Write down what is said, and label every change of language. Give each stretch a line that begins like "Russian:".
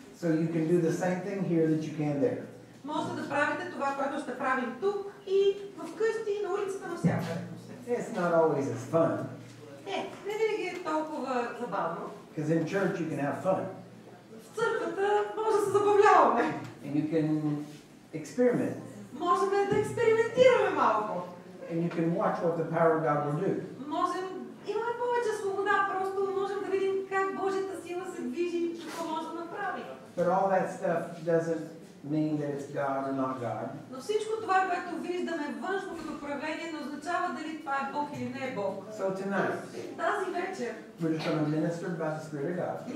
English: So you can do the same thing here that you can there.
Bulgarian: Можете да правите това, което ще правим тук и вкъщи и на улицата на всяка.
English: It's not always as fun.
Bulgarian: Не, не винаги е толкова забавно.
English: Because in church you can have fun.
Bulgarian: В църквата може да се забавляваме.
English: And you can experiment.
Bulgarian: Можем да експериментираме малко.
English: And you can watch what the power of God will do.
Bulgarian: Можем, имаме повече свобода, просто можем да видим как Божията сила се движи и какво може да направи.
English: But all that stuff doesn't mean that it's God or not God.
Bulgarian: Но всичко това, което виждаме външно като проявление, не означава дали това е Бог или не е Бог.
English: So tonight,
Bulgarian: тази вечер,
English: we're just going to minister by the Spirit of God.